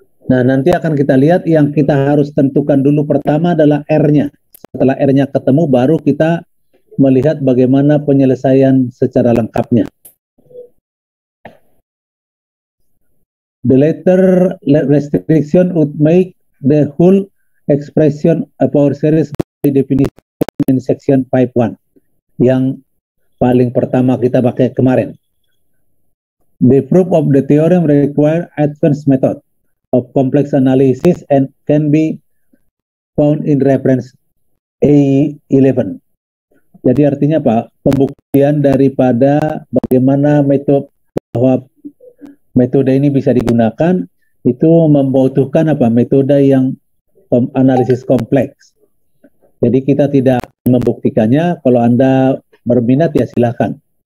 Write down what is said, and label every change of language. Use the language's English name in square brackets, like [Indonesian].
[Indonesian] Nah, nanti akan kita lihat yang kita harus tentukan dulu pertama adalah R-nya. Setelah R-nya ketemu, baru kita melihat bagaimana penyelesaian secara lengkapnya. [English] The latter restriction would make the whole expression of power series by definition in section 5.1. [Indonesian] Yang paling pertama kita pakai kemarin. [English] The proof of the theorem require advanced method of complex analysis and can be found in reference A11. [Indonesian] Jadi artinya apa? Pembuktian daripada bagaimana metode bahwa metode ini bisa digunakan itu membutuhkan apa? Metode yang analisis kompleks. Jadi kita tidak membuktikannya. Kalau Anda berminat ya silakan.